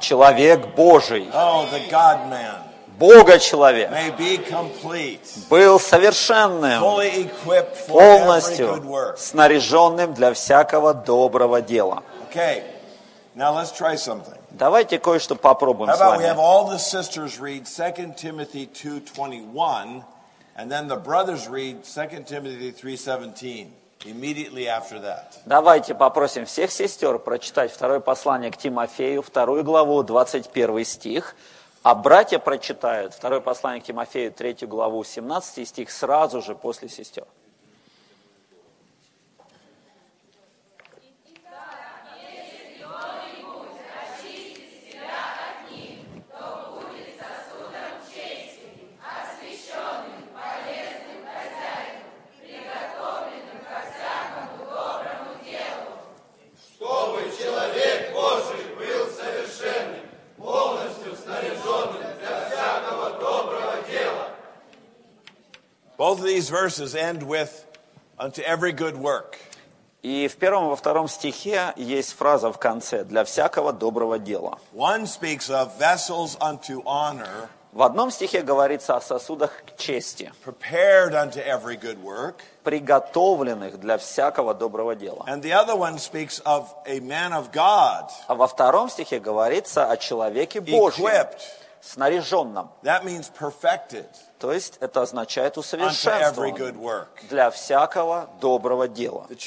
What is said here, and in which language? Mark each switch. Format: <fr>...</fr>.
<ru>Человек Божий.</ru> <en>Oh, the God man.</en> <ru>Бога-человек.</ru> <en>May be complete.</en> <ru>Был совершенным.</ru> <en>Fully equipped for</en> <ru>полностью снаряженным для всякого доброго дела.</ru> <en>Okay. Now let's try something.</en> <ru>Давайте кое-что попробуем с вами.</ru> <en>We have all the sisters read 2 Timothy 2:21, and then the brothers read 2 Timothy 3:17 immediately after that.</en> <ru>Давайте попросим всех сестер прочитать второе послание к Тимофею, вторую главу, 21 стих, а братья прочитают второе послание к Тимофею, третью главу, 17 стих, сразу же после сестер.</ru> <en>Both of these verses end with unto every good work.</en> <ru>И в первом и во втором стихе есть фраза в конце для всякого доброго дела.</ru> <en>One speaks of vessels unto honor.</en> <ru>В одном стихе говорится о сосудах к чести.</ru> <en>Prepared unto every good work.</en> <ru>Приготовленных для всякого доброго дела.</ru> <en>And the other one speaks of a man of God.</en> <ru>А во втором стихе говорится о человеке Божьем.</ru> <en>Equipped.</en> <ru>Снаряженном.</ru> <en>That means perfected.</en> <ru>То есть это означает усовершенствован для всякого доброго дела.</ru>